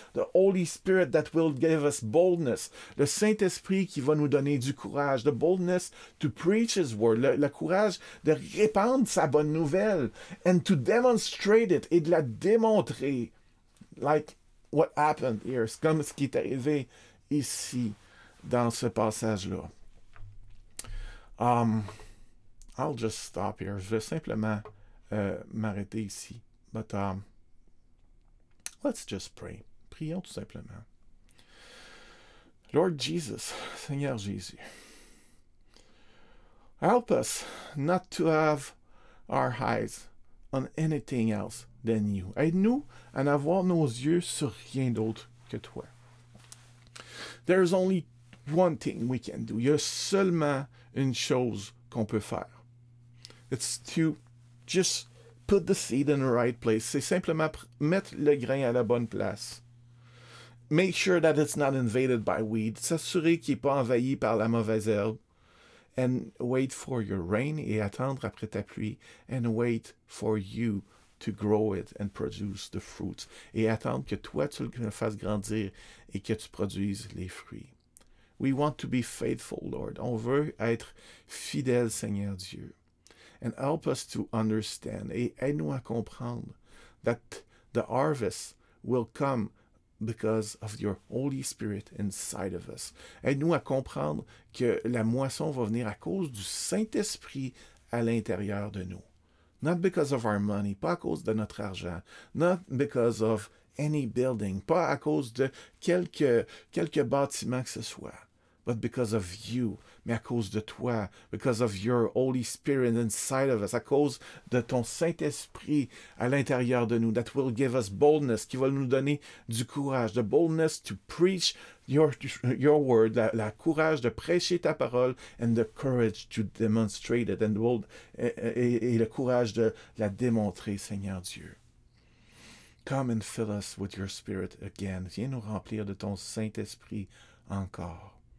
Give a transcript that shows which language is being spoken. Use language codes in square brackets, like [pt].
[en] The Holy Spirit that will give us boldness. [fr] Le Saint-Esprit qui va nous donner du courage. [en] The boldness to preach His word. [fr] Le courage de répandre sa bonne nouvelle. [en] And to demonstrate it [fr] et de la démontrer, [en] like what happened here, [fr] comme ce qui est arrivé ici dans ce passage-là. [en] I'll just stop here. [fr] Je vais simplement m'arrêter ici. [en] But let's just pray. [fr] Prions tout simplement. [en] Lord Jesus, [fr] Seigneur Jésus, [en] help us not to have our eyes on anything else than you. [fr] Aide-nous à n'avoir nos yeux sur rien d'autre que toi. [en] There's only one thing we can do. [fr] Il y a seulement une chose qu'on peut faire. [en] It's to just put the seed in the right place. [fr] C'est simplement mettre le grain à la bonne place. [en] Make sure that it's not invaded by weeds. [fr] S'assurer qu'il n'est pas envahi par la mauvaise herbe. [en] And wait for your rain [fr] et attendre après ta pluie. [en] And wait for you to grow it and produce the fruits. [fr] Et attendre que toi, tu le fasses grandir et que tu produises les fruits. [en] We want to be faithful, Lord. [fr] On veut être fidèle, Seigneur Dieu. [en] And help us to understand. [fr] Et aide-nous à comprendre [en] that the harvest will come because of your Holy Spirit inside of us. [fr] Aide-nous à comprendre que la moisson va venir à cause du Saint-Esprit à l'intérieur de nous. [en] Not because of our money, [fr] pas à cause de notre argent. [en] Not because of any building, [fr] pas à cause de quelques bâtiments que ce soit. [en] But because of you, [fr] mais à cause de toi. [en] Because of your Holy Spirit inside of us, [fr] à cause de ton Saint-Esprit à l'intérieur de nous, [en] that will give us boldness, [fr] qui va nous donner du courage, [en] the boldness to preach your word, [fr] la courage de prêcher ta parole, [en] and the courage to demonstrate it, and bold, [fr] et le courage de la démontrer, Seigneur Dieu. [en] Come and fill us with your Spirit again. [fr] Viens nous remplir de ton Saint-Esprit encore.